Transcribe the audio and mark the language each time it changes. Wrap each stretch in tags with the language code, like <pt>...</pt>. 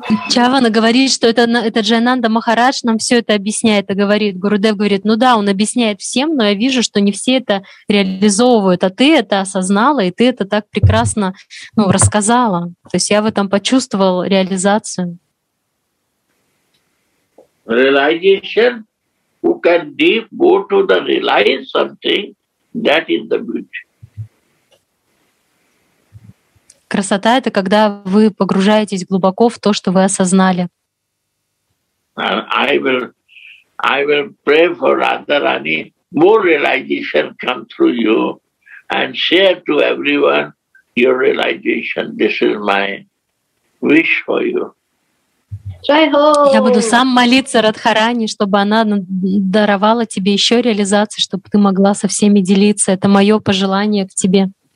<ru>Чавана говорит, что это Джайананда Махарадж нам все это объясняет и говорит. Гурудев говорит, ну да, он объясняет всем, но я вижу, что не все это реализовывают, а ты это осознала, и ты это так прекрасно, ну, рассказала. То есть я в этом почувствовал реализацию.</ru> <en>Realization, who can deep go to the realize something, that is the beauty.</en> <ru>Красота — это когда вы погружаетесь глубоко в то, что вы осознали.</ru> <en>I will pray for Radharani, more realization come through you and share to everyone your realization. This is my wish for you.</en> <ru>Я буду сам молиться Радхарани, чтобы она даровала тебе еще реализации, чтобы ты могла со всеми делиться. Это мое пожелание к тебе.</ru>